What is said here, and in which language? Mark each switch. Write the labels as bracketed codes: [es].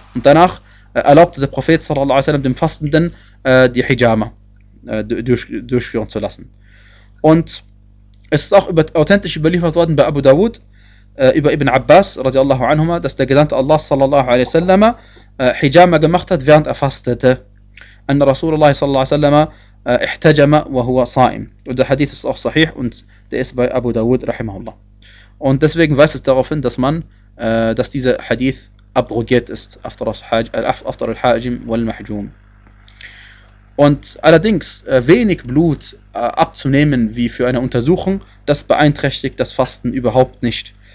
[de] Und danach erlaubte der Prophet صلى الله عليه وسلم dem Fastenden die Hijama durchführen zu lassen. Und es ist auch authentisch überliefert worden bei Abu Dawud über Ibn Abbas radiallahu anhuma, dass der Gesandte Allah صلى الله عليه وسلم Hijama gemacht hat, während er fastete. [ar] An Rasulullah صلى الله عليه وسلم احتجم وهو صائم. [de] Und der Hadith ist auch sahih und der ist bei Abu Dawud rahimahullah. Und deswegen weist es darauf hin, dass man dass dieser Hadith abrogiert ist after al-Hajim wal-Mahjum. Und allerdings wenig Blut abzunehmen wie für eine Untersuchung, das beeinträchtigt das Fasten überhaupt nicht.